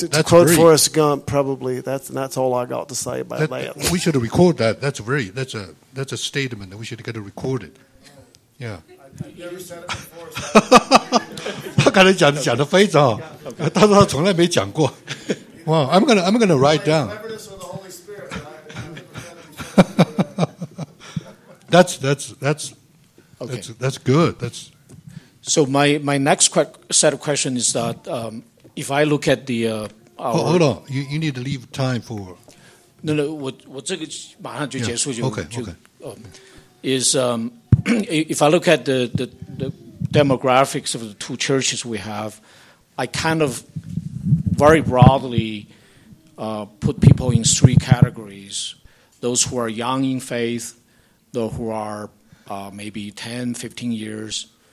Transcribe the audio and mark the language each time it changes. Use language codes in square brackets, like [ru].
[en] To quote Forrest Gump, probably that's all I got to say about that. We should record that. That's a statement that we should get it recorded. Yeah. I've never said it before. [zh] 他刚才讲的非常好，他说他从来没讲过。 [en] Wow, I'm gonna write down. That's good. That's. So my next set of questions is that if I look at the... Hold on, you need to leave time for... [zh] No, 我这个马上就结束就... [en] Yeah, okay, 就 okay. Is if I look at the demographics of the two churches we have, I kind of very broadly put people in three categories. Those who are young in faith, those who are maybe 10, 15 years...